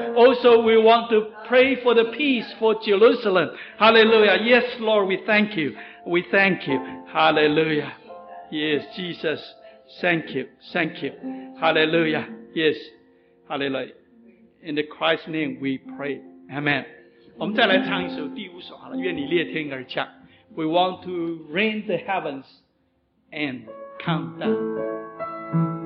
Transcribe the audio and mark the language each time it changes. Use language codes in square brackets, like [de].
[en] Also, we want to pray for the peace for Jerusalem. Hallelujah. Yes, Lord, we thank you. We thank you. Hallelujah. Yes, Jesus. Thank you. Thank you. Hallelujah. Yes. Hallelujah. In the Christ's name we pray. Amen. [zh] 我们再来唱一首第五首好了，愿你裂天而降。 [en] We want to rend the heavens and come down.